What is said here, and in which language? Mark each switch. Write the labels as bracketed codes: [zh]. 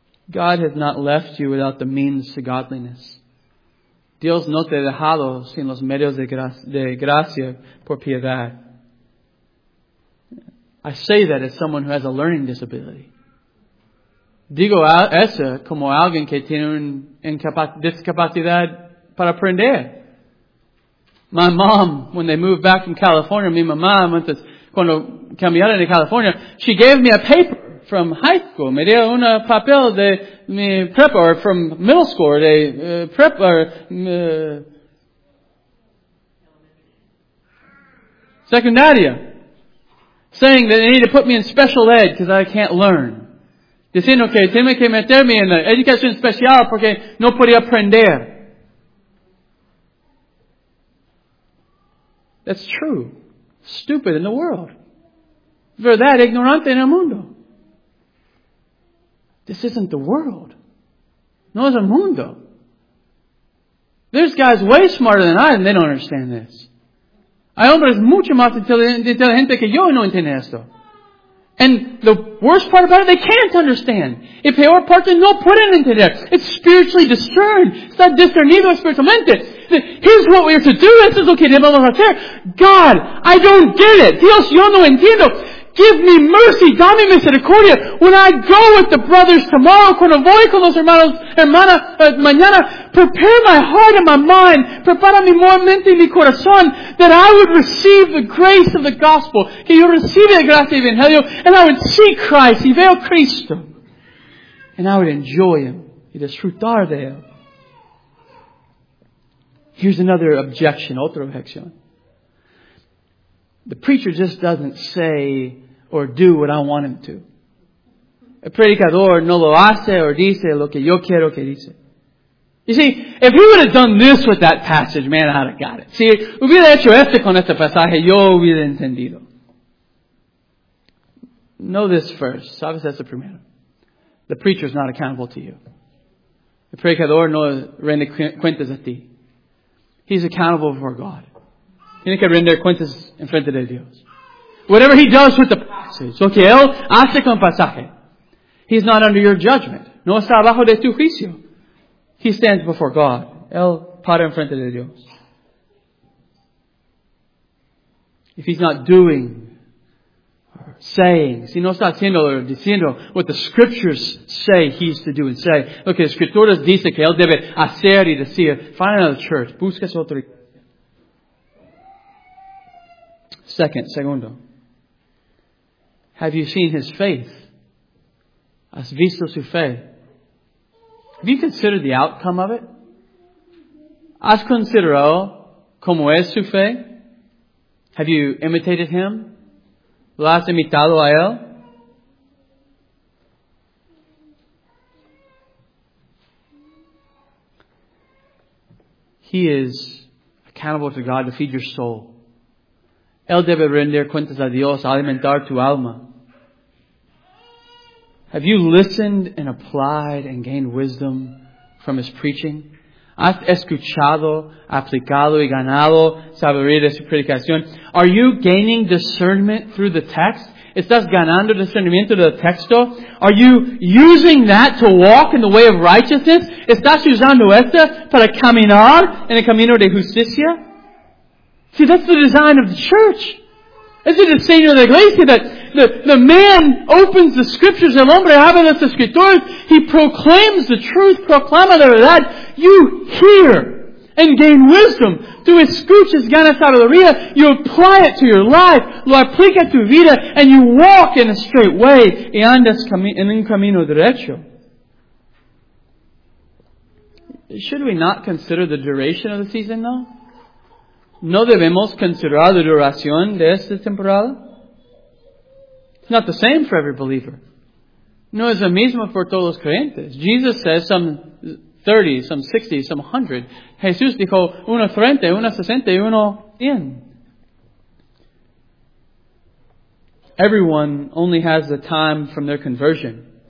[en] God has not left you without the means to godliness. [es] Dios no te ha dejado sin los medios de gracia por piedad. [en] I say that as someone who has a learning disability. [es] Digo eso como alguien que tiene una discapacidad para aprender. [en] My mom, when they moved back from California, [es] mi mamá, cuando cambiaron de California, [en] she gave me a paper from high school. [es] Me dio un papel de mi prepa, [en] or from middle school, [es] de prepa. Secundaria. [en] Saying that they need to put me in special ed because I can't learn. [es] Diciendo que tiene que meterme en la educación especial porque no podía aprender. [en] That's true. Stupid in the world. [es] Verdad, ignorante en el mundo. [en] This isn't the world. [es] No es el mundo. [en] There's guys way smarter than I and they don't understand this. [es] Hay hombres mucho más inteligente que yo y no entienden esto. [en] And the worst part about it, they can't understand. [es] Y peor parte, no pueden entender. [en] It's spiritually discerned. [es] Está discernido espiritualmente. [en] Here's what we're to do. This is okay. [es] Debemos hacer. [en] God, I don't get it. [es] Dios, yo no entiendo. [en] Give me mercy, [es] dame misericordia. [en] When I go with the brothers tomorrow, [es] cuando voy con los hermanos, hermana, mañana, [en] prepare my heart and my mind, [es] prepara mi mente y mi corazón, [en] that I would receive the grace of the gospel, [es] que yo reciba la gracia del evangelio, [en] and I would see Christ, [es] y veo Cristo, [en] and I would enjoy Him, [es] y disfrutar de Él. [en] Here's another objection, [es] otra objeción. [en] The preacher just doesn't say or do what I want him to. [es] El predicador no lo hace or dice lo que yo quiero que dice. [en] You see, if he would have done this with that passage, man, I'd have got it. [es] Si hubiera hecho esto con este pasaje, yo hubiera entendido. [en] Know this first. [es] Sabes eso primero. [en] The preacher is not accountable to you. [es] El predicador no rende cuentas a ti. [en] He's accountable before God. [es] Tiene que render cuentas en frente de Dios. [en] Whatever he does with the passage, [es] lo que él hace con pasaje, [en] he's not under your judgment. [es] No está bajo de tu juicio. [en] He stands before God. [es] Él para en frente de Dios. [en] If he's not doing or saying. [es] Si no está haciendo o diciendo [en] what the scriptures say he's to do and say. [es] Lo que las escrituras dice que él debe hacer y decir. [en] Find another church. [es] Busca otra iglesia. Segundo. [en] Have you seen his faith? [es] ¿Has visto su fe? [en] Have you considered the outcome of it? [es] ¿Has considerado cómo es su fe? [en] Have you imitated him? [es] ¿Lo has imitado a él? [en] He is accountable to God to feed your soul. [es] Él debe rendir cuentas a Dios, alimentar tu alma. [en] Have you listened and applied and gained wisdom from his preaching? [es] ¿Has escuchado, aplicado y ganado sabiduría de su predicación? [en] Are you gaining discernment through the text? [es] ¿Estás ganando discernimiento del texto? [en] Are you using that to walk in the way of righteousness? [es] ¿Estás usando esto para caminar en el camino de justicia? [en] See, that's the design of the church. [es] Es el diseño de la iglesia [en] that the man opens the scriptures, [es] el hombre abre las escrituras, [en] he proclaims the truth, [es] proclama la verdad, [en] you hear and gain wisdom. [es] Tú escuchas, ganas sabiduría, [en] you apply it to your life, [es] lo aplica tu vida, [en] and you walk in a straight way, [es] y andas en un camino derecho. [en] Should we not consider the duration of the season, though? [es] ¿No debemos considerar la duración de esta temporada? [en] It's not the same for every believer. [es] No es lo mismo por todos los creyentes. [en] Jesus says some 30, some 60, some 100. [es] Jesús dijo, uno 30, uno 60, uno 100. [en] Everyone only has the time from their conversion.